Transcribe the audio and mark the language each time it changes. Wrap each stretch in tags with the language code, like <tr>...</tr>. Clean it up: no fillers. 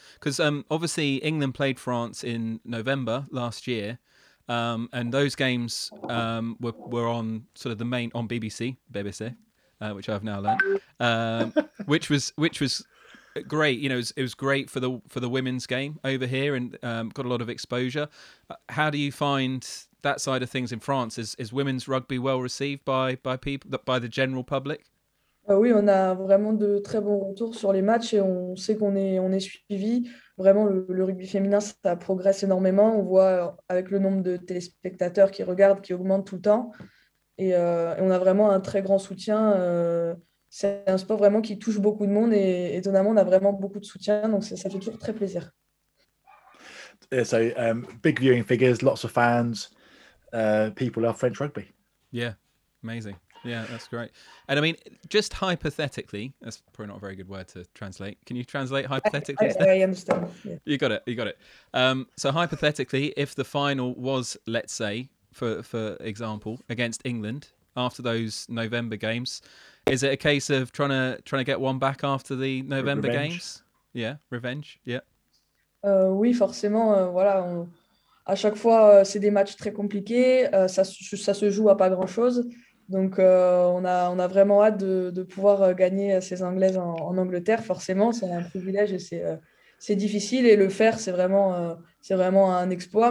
<en>Because obviously England played France in November last year, and those games were on sort of the main, on BBC, which I've now learned, which was great. You know, it was great for the women's game over here, and got a lot of exposure. How do you find that side of things in France? Is women's rugby well received by people, by the general public?</en> <fr>Oui, on a vraiment de très bons retours sur les matchs et on sait qu'on est suivi. Vraiment, le rugby féminin, ça progresse énormément. On voit avec le nombre de téléspectateurs qui regardent, qui augmente tout le temps. Et on a vraiment un très grand soutien. C'est un sport vraiment qui touche beaucoup de monde et étonnamment, on a vraiment beaucoup de soutien. Donc, ça fait toujours très plaisir.</fr> <en>So, big viewing figures, lots of fans. People love French rugby. Yeah, amazing. Yeah, that's great. And I mean, just hypothetically, that's probably not a very good word to translate. Can you translate hypothetically? I understand. Yeah. You got it. So hypothetically, if the final was, let's say, for example, against England after those November games, is it a case of trying to get one back after the November games? Yeah, revenge. Yeah.</en> <fr>Oui, forcément. Voilà. À chaque fois, c'est des matchs très compliqués. Ça se joue à pas grand-chose. Donc, on a vraiment hâte de pouvoir gagner ces Anglaises en Angleterre. Forcément, c'est un privilège et c'est difficile. Et le faire, c'est vraiment un exploit.</fr>